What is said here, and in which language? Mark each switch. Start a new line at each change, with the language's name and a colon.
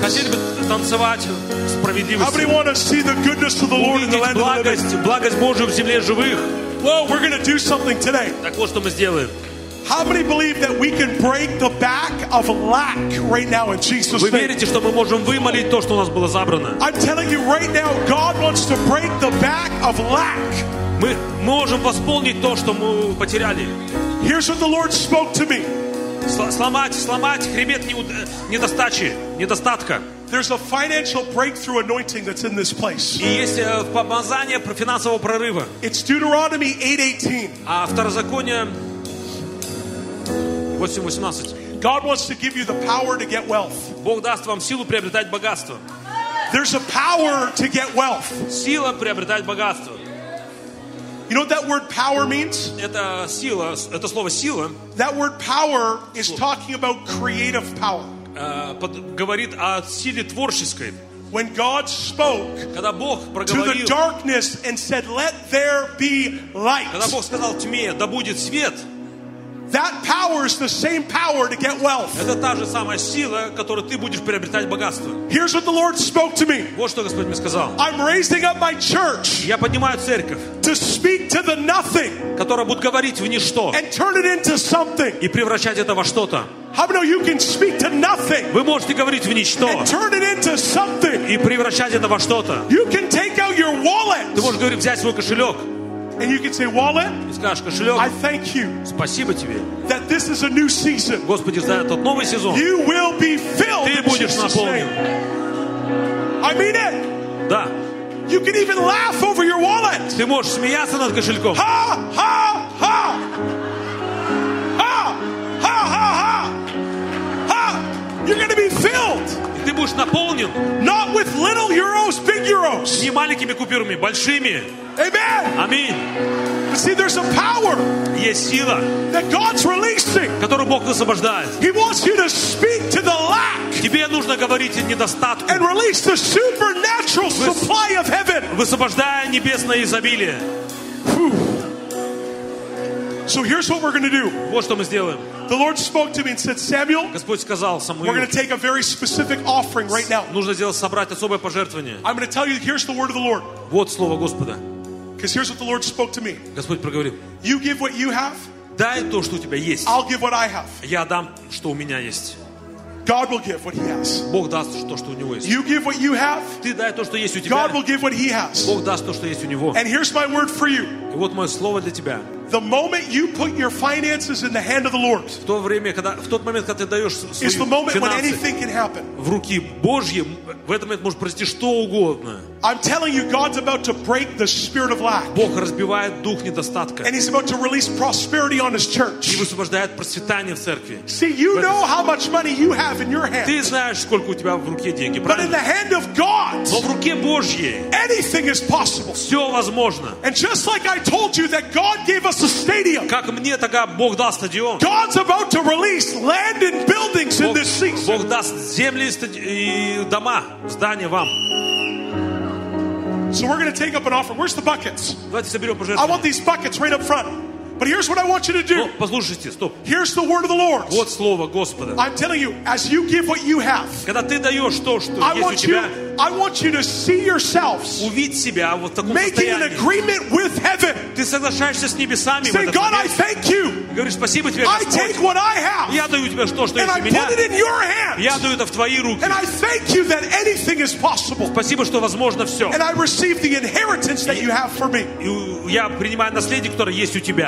Russian: Хотели бы танцевать справедливости?
English: How many want to see the goodness of the Lord in the land of the living?
Russian: Увидеть благость Божию в земле живых?
English: Well, we're going to do something today.
Russian: Так вот что мы сделаем.
English: How many believe that we can break the back of lack right now in Jesus' name?
Russian: Вы верите, что мы можем вымолить то, что у нас было забрано?
English: I'm telling you right now, God wants to break the back of lack.
Russian: Мы можем восполнить то, что мы потеряли.
English: Here's what the Lord spoke to me.
Russian: Сломать хребет недостачи, недостатка.
English: There's a financial breakthrough anointing that's in this place.
Russian: И есть помазание про финансового прорыва.
English: It's Deuteronomy 8:18.
Russian: А второзаконие 8:18.
English: God wants to give you the power to get wealth.
Russian: Бог даст вам силу приобретать богатство.
English: There's a power to get wealth.
Russian: Сила приобретать богатство.
English: You know what that word power means?
Russian: Это сила, это слово сила.
English: That word power is talking about creative power.
Russian: Говорит о силе творческой.
English: When God spoke to the darkness and said, "Let there be light."
Russian: Когда Бог сказал тьме, да будет свет.
English: That power is the same power to get wealth.
Russian: Это та же самая сила, которой ты будешь приобретать богатство.
English: Here's what the Lord spoke to me.
Russian: Вот что Господь мне сказал.
English: I'm raising up my church.
Russian: Я поднимаю церковь.
English: To speak to the nothing.
Russian: Которая будет говорить в ничто.
English: And turn it into something.
Russian: И превращать это во что-то.
English: How many of you can speak to nothing?
Russian: Вы можете говорить в ничто.
English: And turn it into something.
Russian: И превращать это во что-то.
English: You can take out your wallet.
Russian: Ты можешь говорить, взять свой кошелек.
English: And you can say, wallet.
Russian: И скажешь, кошелек.
English: I thank you.
Russian: Спасибо тебе.
English: That this is a new season.
Russian: Господи, за этот новый сезон.
English: You will be filled.
Russian: Ты будешь наполнен.
English: I mean it.
Russian: Да.
English: You can even laugh over your wallet.
Russian: Ты можешь смеяться над кошельком. Ha ha ha. Ha ha ha ha. Ha.
English: You're gonna be filled.
Russian: И ты будешь наполнен.
English: Not with little euros, big euros.
Russian: Не маленькими купюрами, большими.
English: Amen. Amen. But see, there's a power.
Russian: Есть сила.
English: That God's releasing.
Russian: Которую Бог высвобождает.
English: He wants you to speak to the lack.
Russian: Тебе нужно говорить о недостатке.
English: And release the supernatural supply of heaven.
Russian: Высвобождая небесное изобилие.
English: So here's what we're going to do.
Russian: Вот что мы сделаем.
English: The Lord spoke to me and said, Samuel.
Russian: Господь сказал Самуилу.
English: We're going to take a very specific offering right now.
Russian: Нужно сделать собрать особое пожертвование.
English: I'm going to tell you. Here's the word of the Lord.
Russian: Вот слово Господа.
English: Because here's what the Lord spoke to me.
Russian: Господь проговорил.
English: You give what you have.
Russian: Дай то, что у тебя есть.
English: I'll give what I have.
Russian: Я дам, что у меня есть.
English: God will give what He has.
Russian: Бог даст то, что у него есть.
English: You give what you have.
Russian: Ты дай то, что есть у тебя.
English: God will give what He has.
Russian: Бог даст то, что есть у него.
English: And here's my word for you.
Russian: И вот мое слово для тебя.
English: The moment you put your finances in the hand of the Lord.
Russian: В то время, когда в тот момент, когда ты даешь свои финансы.
English: Is the moment when anything can happen.
Russian: В руки Божьи в этот момент может произойти что угодно.
English: I'm telling you, God's about to break the spirit of lack.
Russian: Бог разбивает дух недостатка.
English: And He's about to release prosperity on His church.
Russian: И высвобождает процветание в церкви.
English: See, you know how much money you have in your hand.
Russian: Ты знаешь, сколько у тебя в руке деньги, правильно?
English: But in the hand of God.
Russian: Но в руке Божьей.
English: Anything is possible.
Russian: Все возможно.
English: And just like I told you that God gave us a stadium.
Russian: Как мне тогда Бог дал стадион?
English: God's about to release land and buildings in this season.
Russian: Бог даст земли и дома, здания вам.
English: So we're going to take up an offering. Where's the buckets?
Russian: Давайте соберем пожертвования.
English: I want these buckets right up front. But here's what I want you to do.
Russian: Но, послушайте, стоп.
English: Here's the word of the Lord.
Russian: Вот слово Господа.
English: I'm telling you, as you give what you have.
Russian: Когда ты даешь то, что есть у тебя.
English: I want you to see yourselves.
Russian: Увидь себя вот в таком состоянии.
English: Making an agreement with heaven.
Russian: Ты соглашаешься с небесами.
English: Say, God, I thank you.
Russian: Говоришь, спасибо тебе, Господь.
English: I take what I have.
Russian: Я даю тебе то, что есть у меня.
English: And I put it in your hands.
Russian: Я даю это в твои руки.
English: And I thank you that anything is possible.
Russian: Спасибо, что возможно все.
English: And I receive the inheritance that you have for me.
Russian: Я принимаю наследие, которое есть у тебя.